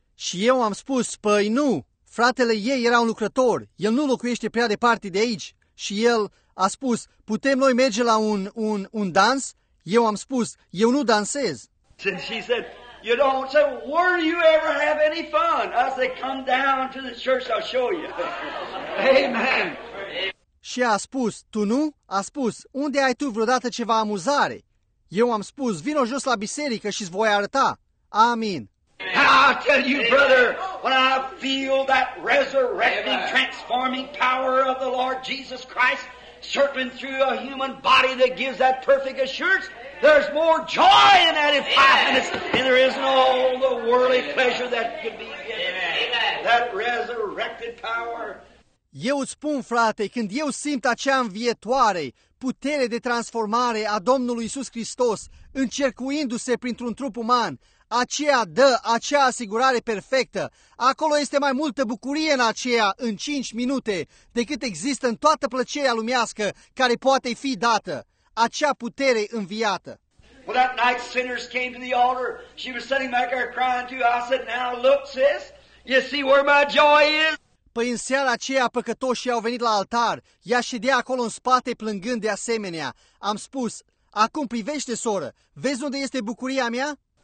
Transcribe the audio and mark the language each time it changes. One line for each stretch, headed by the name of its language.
Romanian: Și eu am spus, păi nu, fratele ei era un lucrător, el nu locuiește prea departe de aici. Și el a spus, putem noi merge la un dans? Eu am spus, eu nu dansez.
English: And she said, you don't say, so where do you ever have any fun? I said, come down to the church, I'll show you. Amen.
Romanian: Și a spus, tu nu? A spus, unde ai tu vreodată ceva amuzare? Eu am spus, vino jos la biserică și îți voi arăta. Amin.
English: I'll tell you, brother, when I feel that resurrecting, transforming power of the Lord Jesus Christ circling through a human body that gives that perfect assurance, there's more joy in that if happiness than there is in all the worldly pleasure that could be given. That resurrected power.
Romanian: Eu îți spun, frate, când eu simt acea învietoare, putere de transformare a Domnului Iisus Hristos, încercuindu-se printr-un trup uman, aceea dă acea asigurare perfectă. Acolo este mai multă bucurie în aceea, în 5 minute, decât există în toată plăcerea lumească care poate fi dată. Acea putere înviată.
English: Well, that night sinners came to the altar. She was sitting back there crying too. I said, now look, sis, you see where my joy is?
Romanian: Păi în seara aceea păcătoșii au venit la altar, ea ședea acolo în spate plângând de asemenea. Am spus, acum privește, soră, vezi unde este bucuria mea?